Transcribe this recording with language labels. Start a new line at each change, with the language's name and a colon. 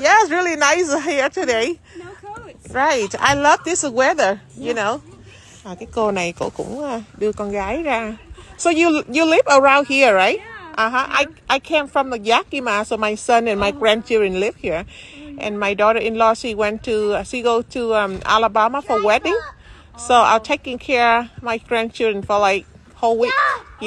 English: Yeah, it's really nice here today. No coats. Right, I love this weather, you know.
Vietnamese: Cái cô này cổ cũng đưa con gái ra.
English: So you live around here, right? Yeah. Uh-huh. Yeah. I came from the Yakima, so my son and my grandchildren live here. Mm-hmm. And my daughter-in-law, she go to Alabama for Yakima. Wedding. So I'm taking care of my grandchildren for like whole week, yeah.